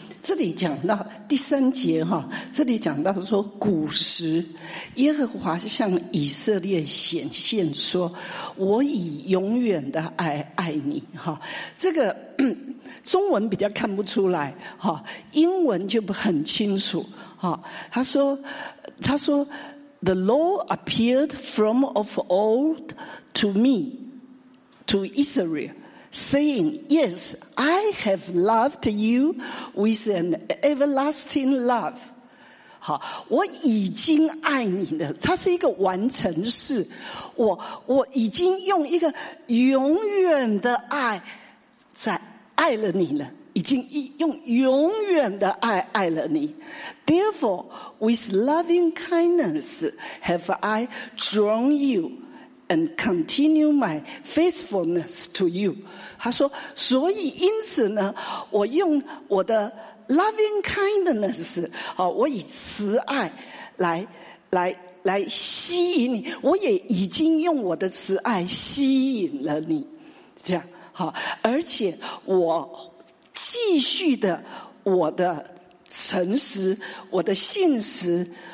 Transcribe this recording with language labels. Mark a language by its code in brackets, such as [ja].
[zh] 这里讲到第三节哈，这里讲到说，古时耶和华向以色列显现说，我以永远的爱爱你哈。这个中文比较看不出来哈，英文就不很清楚。他说 [en] The Lord appeared from of old to me, to Israel, saying, Yes, I have loved you with an everlasting love. [zh] 好，我已经爱你了，它是一个完成式，我已经用一个永远的爱在爱了你了，已经用永远的爱爱了你。 [en] Therefore, with loving kindness have I drawn you and continue my faithfulness to you. [zh] 他说，所以因此呢，我用我的 [en] loving kindness, [zh] 我以慈爱来吸引你，我也已经用我的慈爱吸引了你，这样，而且我继续的我的诚实，我的信实，